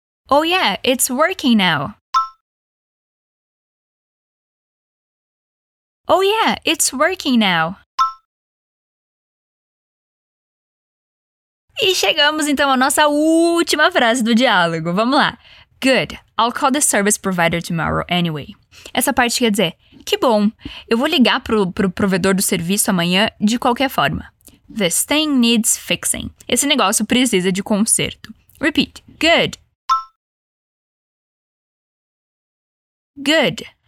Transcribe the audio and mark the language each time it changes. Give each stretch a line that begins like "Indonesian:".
English: Oh yeah, it's working now. Oh yeah, it's working now.
Portuguese: E chegamos então à nossa última frase do diálogo. Vamos lá.
English: Good, I'll call the service provider tomorrow anyway.
Portuguese: Essa parte quer dizer, que bom, eu vou ligar pro provedor do serviço amanhã de qualquer forma.
English: This thing needs fixing.
Portuguese: Esse negócio precisa de conserto.
English: Repeat. Good. Good.